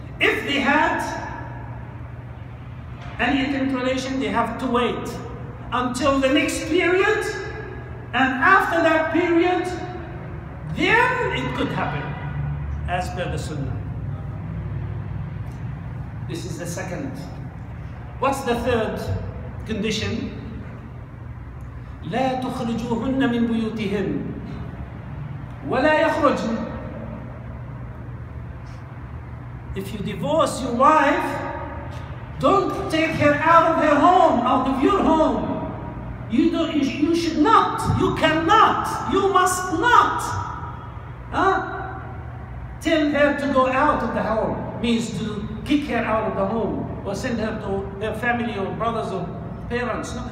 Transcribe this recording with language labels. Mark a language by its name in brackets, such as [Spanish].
[English] If they had any intimate relation, they have to wait until the next period. And after that period, then it could happen, as per the sunnah. This is the second. What's the third condition? [Arabic] لا تخرجوهن من بيوتهن ولا يخرجن. [English] If you divorce your wife, don't take her out of her home, out of your home. You don't. You should not. You cannot. You must not. Huh? Tell her to go out of the home means to kick her out of the home or send her to her family or brothers or parents. No.